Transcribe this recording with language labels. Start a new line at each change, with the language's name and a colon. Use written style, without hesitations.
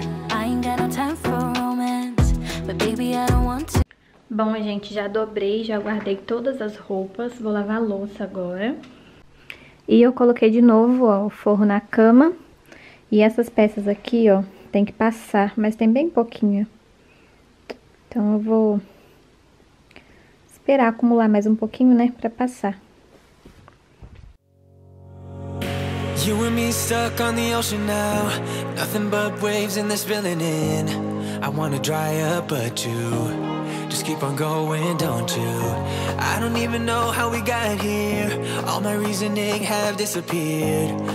English: I ain't got no time for romance, but baby, I don't want to.
Portuguese: Bom, gente, já dobrei, já guardei todas as roupas. Vou lavar a louça agora. E eu coloquei de novo, ó, o forro na cama. E essas peças aqui, ó, tem que passar, mas tem bem pouquinho. Então eu vou esperar acumular mais um pouquinho, né, pra passar.
English: You and me stuck on the ocean now. Nothing but waves in this building in. I wanna dry up, but you just keep on going, don't you? I don't even know how we got here. All my reasoning have disappeared.